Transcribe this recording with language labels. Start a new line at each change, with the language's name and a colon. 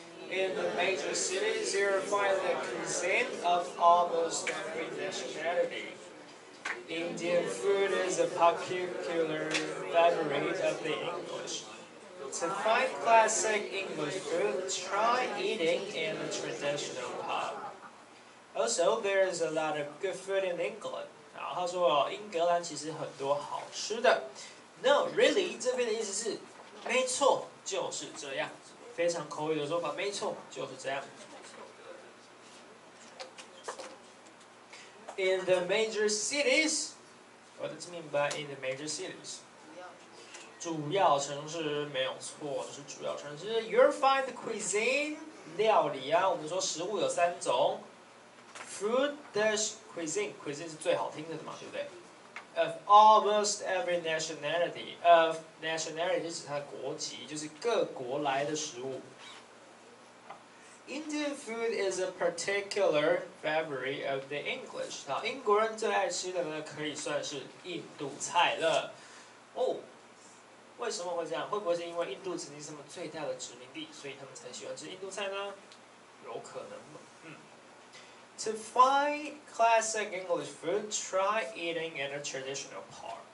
English: In the major cities, you'll find the cuisine of almost every nationality. Indian food is a popular favorite of the English. To find classic English food, try eating in a traditional pub. Also, there is a lot of good food in England.
Chinese: 好，他说英格兰其实很多好吃的。
English: No, really,
Chinese: 这边的意思是没错就是这样。非常口语的说法，没错就是这样。
English: In the major cities, what does it mean by in the major cities?
Chinese: 主要城市没有错，就是主要城市。
English: You'll find the cuisine
Chinese: 料理啊，我们说食物有三种 ，
English: food dish cuisine cuisine
Chinese: 是最好听的嘛，对不对 ？
English: Of almost every nationality, of nationality
Chinese: 就指它的国籍，就是各国来的食物。
English: Indian food is a particular favorite of the English.
Chinese: 好，英国人最爱吃的呢，可以算是印度菜了。哦，为什么会这样？会不会是因为印度曾经是他们最大的殖民地，所以他们才喜欢吃印度菜呢？有可能吗？
English: To find classic English food, try eating in a traditional pub.